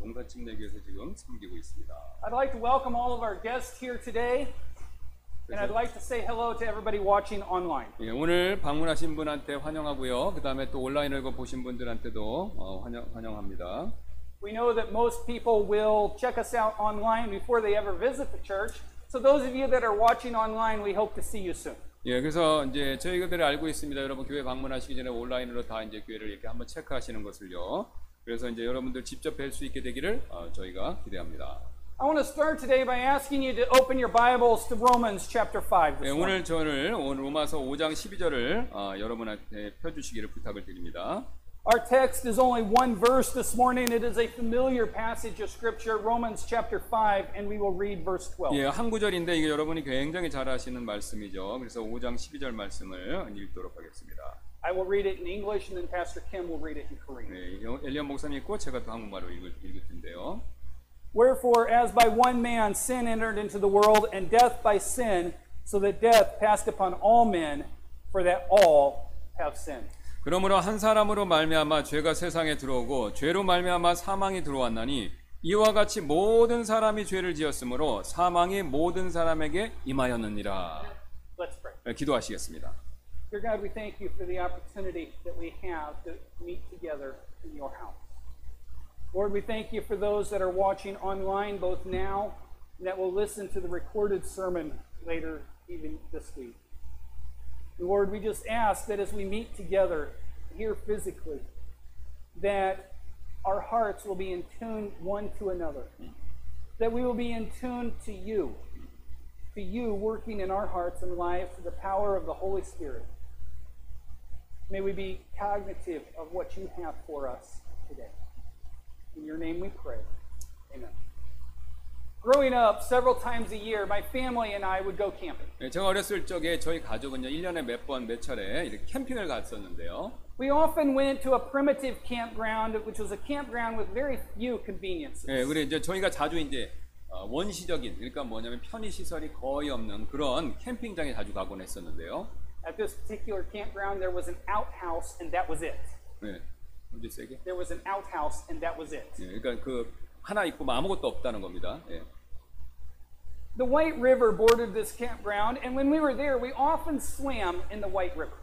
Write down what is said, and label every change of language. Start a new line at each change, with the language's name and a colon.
Korean: 용산 침례교회에서 지금 섬기고 있습니다.
English: I'd like to welcome all of our guests here today. And I'd like to say hello to everybody watching online.
Korean: 예, 오늘 방문하신 분한테 환영하고요. 그다음에 또 온라인으로 보신 분들한테도 환영합니다.
English: We know that most people will check us out online before they ever visit the church. So those of you that are watching online, we hope to see you soon.
Korean: 예, 그래서 이제 저희들이 알고 있습니다. 여러분 교회 방문하시기 전에 온라인으로 다 이제 교회를 이렇게 한번 체크하시는 것을요. 그래서 이제 여러분들 직접 뵐 수 있게 되기를 저희가 기대합니다.
English: I want to start today by asking you to open your Bibles to Romans chapter 5.
Korean: 네, 오늘 저를 오늘 로마서 5장 12절을 여러분한테 펴 주시기를 부탁을 드립니다.
English: Our text is only one verse this morning. It is a familiar passage of scripture, Romans chapter 5, and we will read verse 12.
Korean: 예, 한 구절인데 이게 여러분이 굉장히 잘 아시는 말씀이죠. 그래서 5장 12절 말씀을 읽도록 하겠습니다.
English: I will read it in English and then Pastor Kim will read it in Korean.
Korean: 네, 엘리언 목사님 읽고 제가 또 한국말로 읽을 텐데요.
English: Wherefore, as by one man sin entered into the world, and death by sin, so that death passed upon all men, for that all have sinned.
Korean: 그러므로 한 사람으로 말미암아 죄가 세상에 들어오고 죄로 말미암아 사망이 들어왔나니 이와 같이 모든 사람이 죄를 지었으므로 사망이 모든 사람에게 임하였느니라.
English: Let's pray.
Korean: 네, 기도하시겠습니다.
English: Dear God, we thank you for the opportunity that we have to meet together in your house. Lord, we thank you for those that are watching online, both now and that will listen to the recorded sermon later, even this week. Lord, we just ask that as we meet together here physically, that our hearts will be in tune one to another, that we will be in tune to you working in our hearts and lives through the power of the Holy Spirit. May we be cognitive of what you have for us today. In your name we pray. Amen. Growing up, several times a year, my family and I would go camping.
Korean: 네, 제가 어렸을 적에 저희 가족은요, 1년에 몇 번, 몇 차례 이렇게 캠핑을 갔었는데요.
English: We often went to a primitive campground, which was a campground with very few conveniences.
Korean: 네, 우리 이제 저희가 자주 이제 원시적인, 그러니까 뭐냐면 편의 시설이 거의 없는 그런 캠핑장에 자주 가곤 했었는데요.
English: At this particular campground, there was an outhouse, and that was it.
Korean: 네.
English: There was an outhouse, and that was it.
Korean: 예, 그러니까 그 하나 있고 아무것도 없다는 겁니다. 예.
English: The White River bordered this campground, and when we were there, we often swam in the White River.